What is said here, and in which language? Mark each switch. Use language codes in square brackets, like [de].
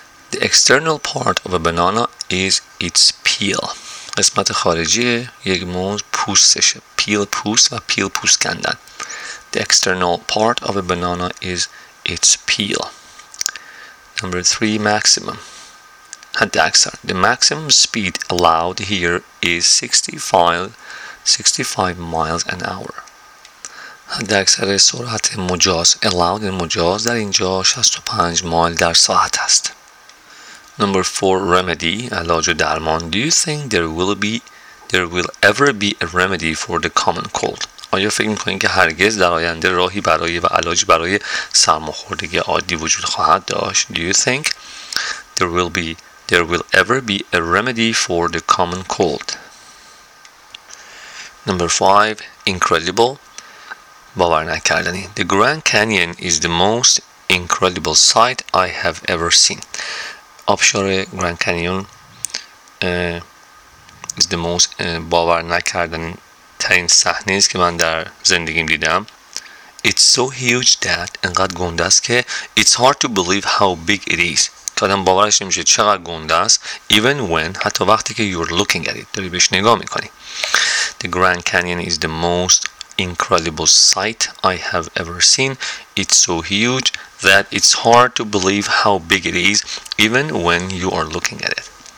[en] The external part of a banana is its peel. [fa] قسمت خارجی یک موز پوستشه. Peel, پوست و peel, پوست کندن. [en] The external part of a banana is its peel. Number three, maximum. حد اکثر. The maximum speed allowed here is 65 miles an hour. [fa] حد اکثر سرعت مجاز, allowed مجاز, در اینجا 65 مایل در ساعت است. [en] Number 4, remedy, علاج و درمان. Do you think there will ever be a remedy for the common cold? [fa] آیا فکر می‌کنید که هرگز در آینده راهی برای و علاج برای سرماخوردگی عادی وجود خواهد داشت? [en] Do you think there will ever be a remedy for the common cold? Number 5, incredible, باور نکردنی. The Grand Canyon is the most incredible sight I have ever seen. [fa] آبشار [en] Grand Canyon is the most [fa] باور نکردنی ترین صحنه است که من در زندگیم دیدم. [en] It's so huge that [fa] انقدر گنده است که [en] it's hard to believe how big it is. [fa] آدم باورش نمیشه چقدر گنده است. [en] Even when, [fa] حتی وقتی که [en] you're looking at it, [fa] داری بهش نگاه میکنی. [en] The Grand Canyon is the most incredible sight I have ever seen. It's so huge that it's hard to believe how big it is, even when you are looking at it.